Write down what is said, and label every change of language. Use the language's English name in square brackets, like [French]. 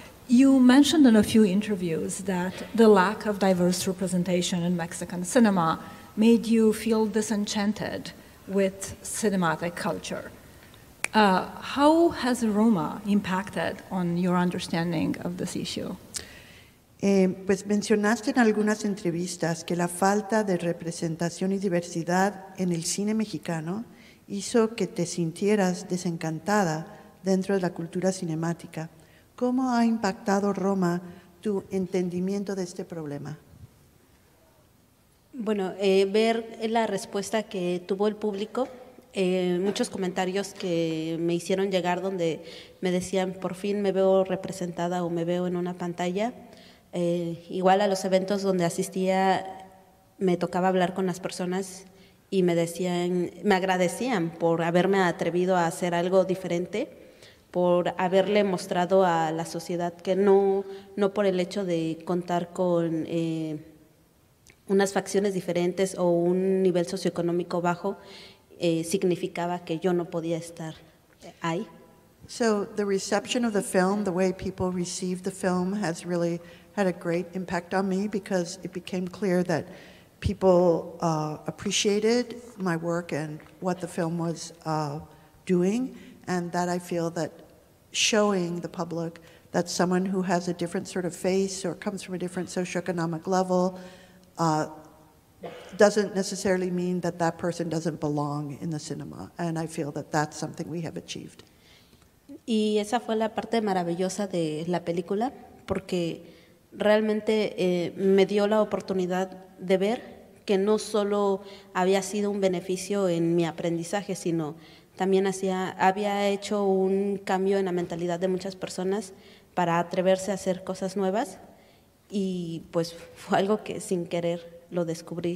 [English] You mentioned in a few interviews that the lack of diverse representation in Mexican cinema made you feel disenchanted with cinematic culture. How has Roma impacted on your understanding of this issue? [Spanish] Pues mencionaste en algunas entrevistas que la falta de representación y diversidad en el cine mexicano hizo que te sintieras desencantada dentro de la cultura cinemática. ¿Cómo ha impactado Roma tu entendimiento de este problema? Bueno, ver la respuesta que tuvo el público, muchos comentarios que me hicieron llegar donde me decían, por fin me veo representada o me veo en una pantalla. Igual a los eventos donde asistía, me tocaba hablar con las personas y me decían, me agradecían por haberme atrevido a hacer algo diferente, por haberle mostrado a la sociedad que no por el hecho de contar con unas facciones diferentes o un nivel socioeconómico bajo significaba que yo no podía estar ahí. [English] So the reception of the film, the way people received the film, has really had a great impact on me, because it became clear that people appreciated my work and what the film was doing, and that I feel that showing the public that someone who has a different sort of face or comes from a different socioeconomic level doesn't necessarily mean that that person doesn't belong in the cinema, and I feel that that's something we have achieved. [Spanish] Y esa fue la parte maravillosa de la película, porque realmente me dio la oportunidad de ver que no solo había sido un beneficio en mi aprendizaje, sino también había hecho un cambio en la mentalidad de muchas personas para atreverse a hacer cosas nuevas, y pues fue algo que sin querer lo descubrí.